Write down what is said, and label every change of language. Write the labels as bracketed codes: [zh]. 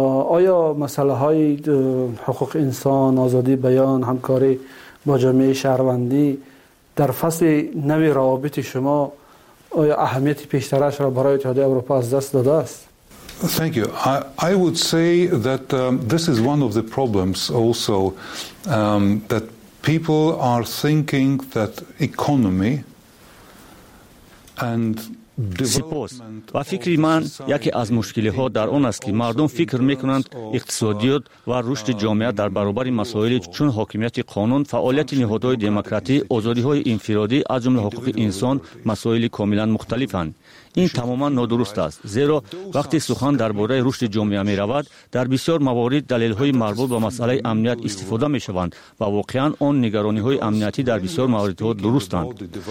[fa] آیا مسئله های حقوق انسان، آزادی بیان، همکاری با جامعه شهروندی در فصل نوی روابط شما آیا اهمیت بیشترش را برای اتحادیه اروپا از دست داده است؟ [en] Thank you. I would say that this is one of the problems also that people are thinking that economy and [fa] سپاس. و فکری من یکی از مشکلی ها در آن است که مردم فکر میکنند اقتصادیات و رشد جامعه در برابر مسائل چون حاکمیت قانون، فعالیت نهادهای دموکراتی، آزادی های انفرادی از جمله حقوق انسان مسائل کاملا مختلفند. این تماما نادرست است، زیرا وقتی سخن درباره رشد جامعه می رود در بسیار موارد دلیل های مربوط به مسئله امنیت استفاده می شوند و واقعا آن نگرانی های امنیتی در بسیار موارد ها درستند.